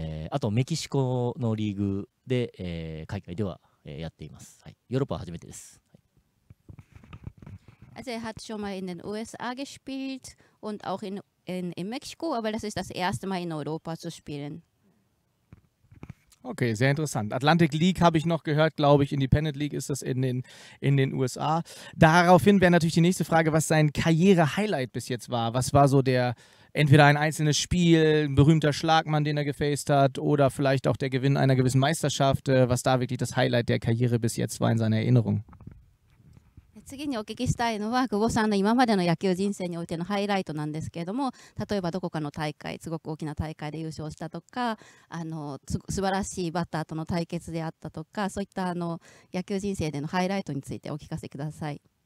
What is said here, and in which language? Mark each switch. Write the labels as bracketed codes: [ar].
[ja] あとメキシコのリーグで、海外では、やっています、はい。ヨーロッパは初めてです。 [de] Also, er hat schon mal in den USA gespielt und auch in Mexiko, aber das ist das erste Mal in Europa zu spielen. Okay, sehr interessant. Atlantic League habe ich noch gehört, glaube ich. Independent League ist das in den USA. Daraufhin wäre natürlich die nächste Frage, was sein Karriere-Highlight bis jetzt war. Was war so der, entweder ein einzelnes Spiel, ein berühmter Schlagmann, den er gefaced hat, oder vielleicht auch der Gewinn einer gewissen Meisterschaft. Was da wirklich das Highlight der Karriere bis jetzt war in seiner Erinnerung? [ja] 次にお聞きしたいのは、久保さんの今までの野球人生においてのハイライトなんですけれども、例えばどこかの大会、すごく大きな大会で優勝したとか、あの素晴らしいバッターとの対決であったとか、そういったあの野球人生でのハイライトについてお聞かせください。